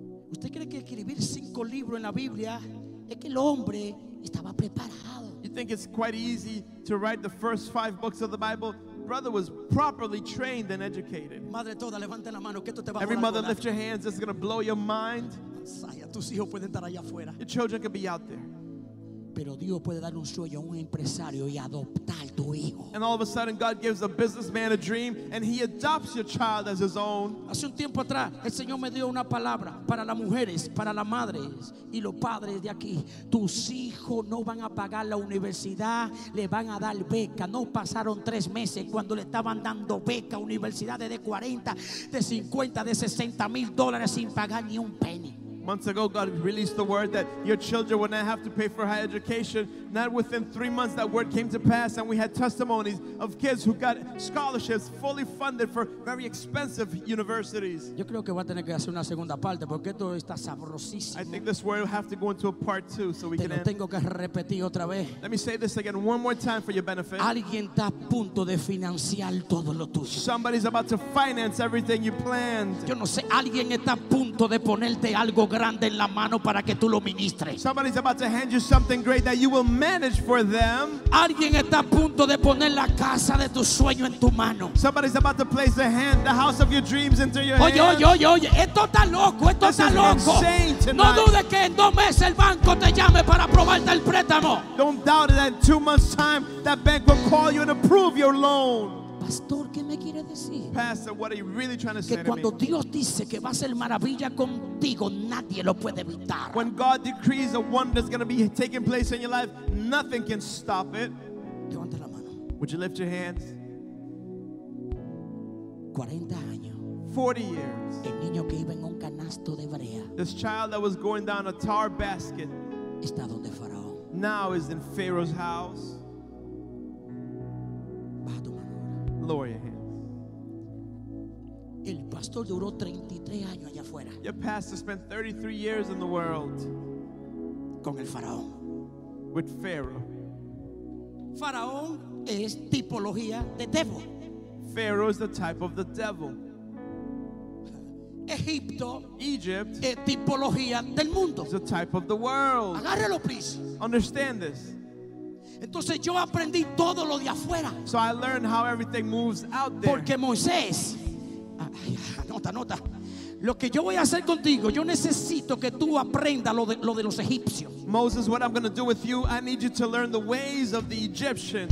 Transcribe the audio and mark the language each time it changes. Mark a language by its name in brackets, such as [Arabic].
[Spanish] ¿Usted cree que escribir 5 libros en la Biblia es que el hombre estaba preparado? [English] You think it's quite easy to write the first 5 books of the Bible? Brother was properly trained and educated. [Spanish] Madre toda, levante la mano, que esto te va. [English] Every mother, lift your hands. This is going to blow your mind. [Spanish] Tus hijos pueden estar allá afuera. [English] Your children can be out there. [Spanish] Pero Dios puede dar un sueño a un empresario y adoptar tu hijo. [English] And all of a sudden God gives a businessman a dream and he adopts your child as his own. [Spanish] Hace un tiempo atrás el Señor me dio una palabra para las mujeres, para las madres y los padres de aquí. Tus hijos no van a pagar la universidad, le van a dar beca. No pasaron 3 meses cuando le estaban dando beca a universidades de 40, de 50, de 60 mil dólares sin pagar ni un penny. [English] Months ago, God released the word that your children would not have to pay for higher education. Not within 3 months, that word came to pass, and we had testimonies of kids who got scholarships fully funded for very expensive universities. [Spanish] Yo creo que voy a tener que hacer una segunda parte porque esto está sabrosísimo. [English] I think this word will have to go into a part two so we [Spanish] te [English] can. [Spanish] Te lo tengo que repetir otra vez. [English] Let me say this again one more time for your benefit. [Spanish] Alguien está a punto de financiar todo lo tuyo. [English] Somebody's about to finance everything you planned. [Spanish] Yo no sé. Alguien está a punto de ponerte algo grande en la mano para que tú lo ministres. [English] Somebody's about to hand you something great that you will manage for them. [Spanish] Alguien está a punto de poner la casa de tu sueño en tu mano. [English] Somebody's about to place the hand, the house of your dreams into your hand. [Spanish] Oye, esto está loco, esto [English] this [Spanish] está loco. No dudes que en 2 meses el banco te llame para aprobarte el préstamo. [English] Don't doubt that in 2 months time that bank will call you and approve your loan. [Spanish] Pastor, ¿qué me quiere decir? [English] Pastor, what are you really trying to say? [Spanish] Que cuando Dios dice que va a hacer maravilla contigo, nadie lo puede evitar. [English] When God decrees a wonder is going to be taking place in your life, nothing can stop it. [Spanish] Levanta la mano. [English] Would you lift your hands? [Spanish] 40 años. [English] 40 years. [Spanish] El niño que iba en un canasto de brea. [English] This child that was going down a tar basket. [Spanish] Está donde faraón. [English] Now is in Pharaoh's house. [Spanish] El pastor duró 33 años allá afuera. [English] Your pastor spent 33 years in the world. [Spanish] Con el faraón. [English] With Pharaoh. [Spanish] Faraón es tipología de [English] devil. Pharaoh is the type of the devil. [Spanish] Egipto. [English] Egypt. [Spanish] Es tipología del mundo. [English] Is the type of the world. [Spanish] Agárrelo, [English] please. Understand this. [Spanish] Entonces yo aprendí todo lo de afuera. [English] So I learned how everything moves out there. [Spanish] Porque Moisés, anota. Lo que yo voy a hacer contigo, yo necesito que tú aprendas lo de los egipcios. [English] Moses, what I'm going to do with you, I need you to learn the ways of the Egyptians.